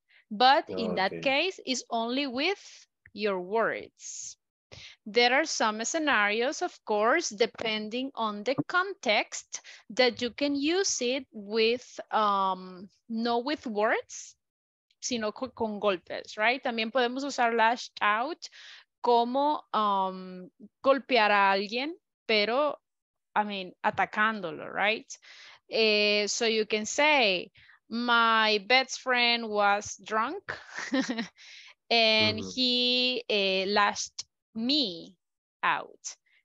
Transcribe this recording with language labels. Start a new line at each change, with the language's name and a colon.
English: But in that case, it's only with your words. There are some scenarios, of course, depending on the context, that you can use it with, no with words,
Spanish: sino con golpes,
English: right?
Spanish: También podemos usar lashed out como golpear a alguien, pero,
English: I mean,
Spanish: atacándolo, right?
English: So you can say, my best friend was drunk and he lashed me out.